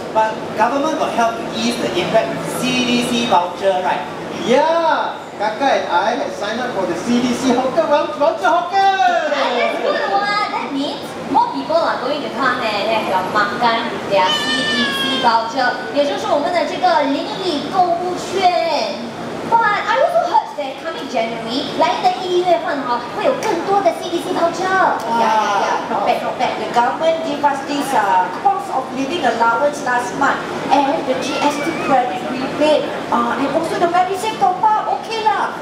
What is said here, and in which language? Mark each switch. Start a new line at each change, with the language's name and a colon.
English: But government got help to ease the impact with CDC voucher, right? Yeah! Kaka and I had signed up for the CDC hawker voucher. That's good, that means more people are going to come and have your makan with their CDC voucher.
Chinese: 也就是我们的这个邻里购物券.
English: But I also heard that coming January, like the EU and one, we have more CDC voucher. Not bad. The government gave us this cost of living allowance last month and the GST credit rebate. And also the MediSafe top up, okay lah.